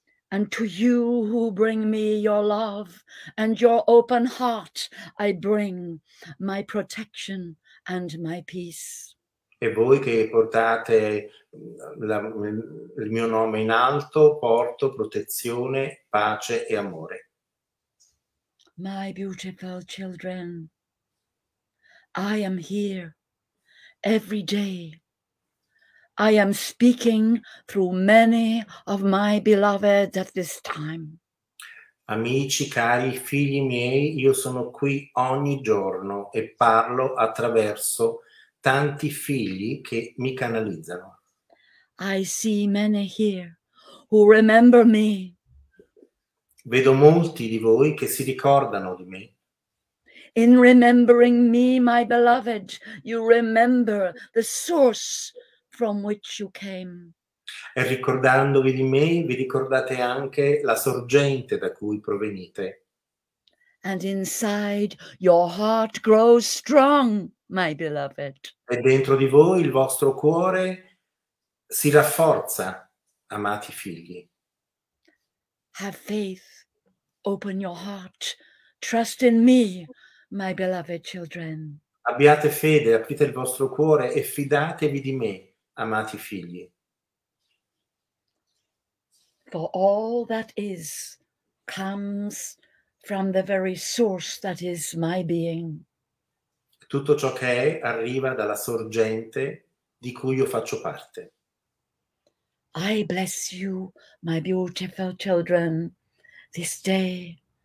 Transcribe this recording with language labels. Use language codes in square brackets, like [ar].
[en] And to you who bring me your love and your open heart, I bring my protection and my peace. [it] E voi che portate il mio nome in alto, porto protezione, pace e amore. [en] My beautiful children, I am here every day. I am speaking through many of my beloved at this time. [it] Amici, cari figli miei, io sono qui ogni giorno e parlo attraverso tanti figli che mi canalizzano. [en] I see many here who remember me. [it] Vedo molti di voi che si ricordano di me. [en] In remembering me, my beloved, you remember the source from which you came. [it] E ricordandovi di me, vi ricordate anche la sorgente da cui provenite. [en] And inside your heart grows strong, my beloved. [it] E dentro di voi il vostro cuore si rafforza, amati figli. [en] Have faith, open your heart, trust in me, my beloved children. [it] Abbiate fede, aprite il vostro cuore e fidatevi di me, amati figli. [en] For all that is comes from the very source that is my being. [it] Tutto ciò che è arriva dalla sorgente di cui io faccio parte. [en] I bless you, my beautiful children, this day.